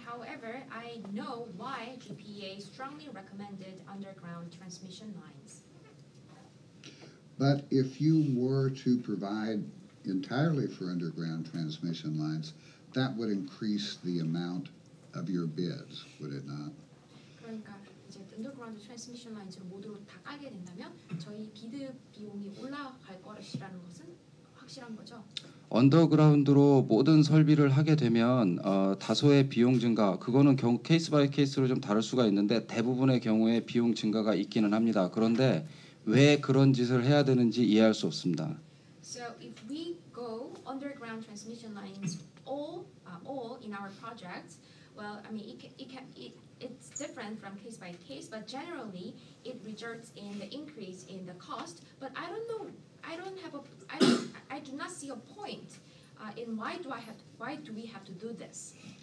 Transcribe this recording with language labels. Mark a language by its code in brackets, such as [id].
[en] However, I know why GPA strongly recommended underground transmission lines. But if you were to provide entirely for underground transmission lines, that would increase the amount of your bids, would it not? [ko] 그러니까 인더그라운드 트랜스미션 라인즈를 모두 다 깔게 된다면 저희 비드 비용이 올라갈 것이라는 것은 확실한 거죠. 언더그라운드로 모든 설비를 하게 되면 다소의 비용 증가, 그거는 케이스 바이 케이스로 좀 다를 수가 있는데 대부분의 경우에 비용 증가가 있기는 합니다. 그런데 왜 그런 짓을 해야 되는지 이해할 수 없습니다. [en] So if we go underground transmission lines all in our project, well, I mean it's different from case by case, but generally it results in the increase in the cost. But I don't know. I do not see a point in why do we have to do this?